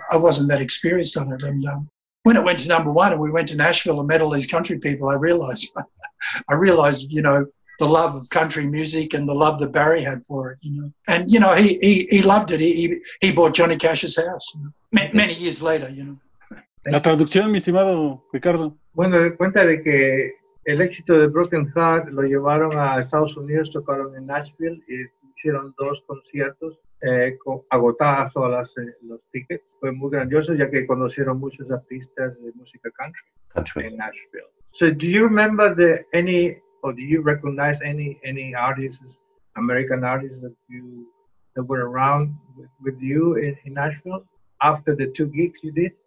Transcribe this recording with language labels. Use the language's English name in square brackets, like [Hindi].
[English] I wasn't that experienced on it. And when it went to number one and we went to Nashville and met all these country people, I realized, you know, the love of country music and the love that Barry had for it, you know. And, you know, he loved it. He bought Johnny Cash's house, you know, many years later, you know. [Spanish] La traducción, mi estimado Ricardo. Bueno, cuenta de que el éxito de Broken Heart lo llevaron a Estados Unidos, tocaron en Nashville y hicieron dos conciertos agotadas todas los tickets. Fue muy grandioso ya que conocieron muchos artistas de música country en Nashville. [English] So, do you remember do you recognize any artists, American artists that were around with you in Nashville after the two gigs you did?